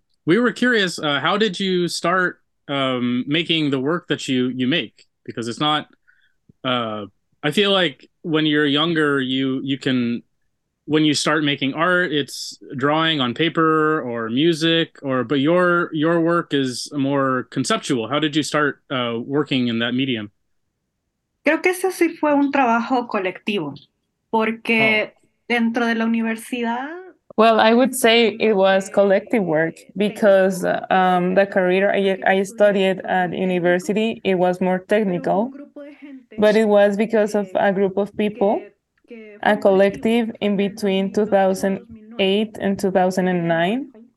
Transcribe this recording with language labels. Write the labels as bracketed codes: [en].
[en] We were curious, how did you start making the work that you make? Because it's not... I feel like when you're younger, you can, when you start making art, it's drawing on paper or music, but your work is more conceptual. How did you start working in that medium? [es] Creo que ese sí fue un trabajo colectivo, porque dentro de la universidad. [en] Well, I would say it was collective work because the career I studied at university, it was more technical. But it was because of a group of people, a collective in between 2008 and 2009.